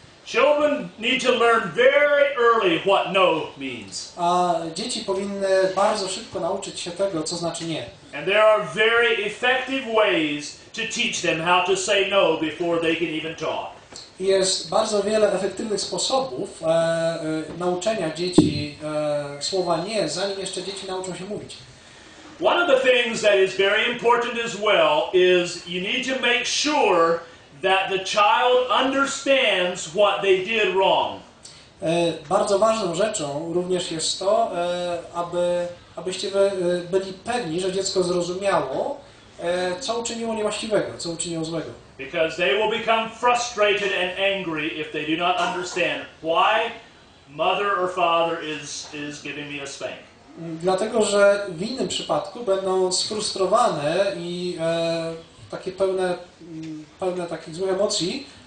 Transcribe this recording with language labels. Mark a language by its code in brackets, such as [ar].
[en] Children need to learn very early what no means. [pl] A dzieci powinny bardzo szybko nauczyć się tego, co znaczy nie. [en] And there are very effective ways to teach them how to say no before they can even talk. [pl] Jest bardzo wiele efektywnych sposobów nauczenia dzieci słowa nie, zanim jeszcze dzieci nauczą się mówić. [en] One of the things that is very important as well is you need to make sure that the child understands what they did wrong. [pl] Bardzo ważną rzeczą również jest to, abyście wy byli pewni, że dziecko zrozumiało, co uczyniło niewłaściwego, co uczyniło złego. [en] Because they will become frustrated and angry if they do not understand why mother or father is giving me a spank. [pl] Dlatego, że w innym przypadku będą sfrustrowane i takie pełne takich złych emocji.